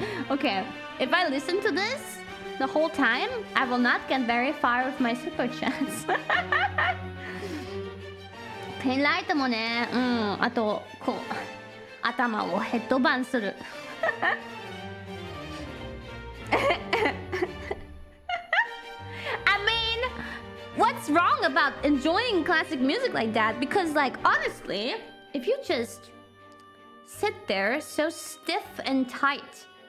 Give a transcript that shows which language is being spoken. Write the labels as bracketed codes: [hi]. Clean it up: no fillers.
[en] Okay, if I listen to this the whole time, I will not get very far with my super chats. [ja] ペンライトもね、うん、あとこう頭をヘッドバンする。 [en] I mean, what's wrong about enjoying classic music like that? Because like honestly, if you just sit there so stiff and tight.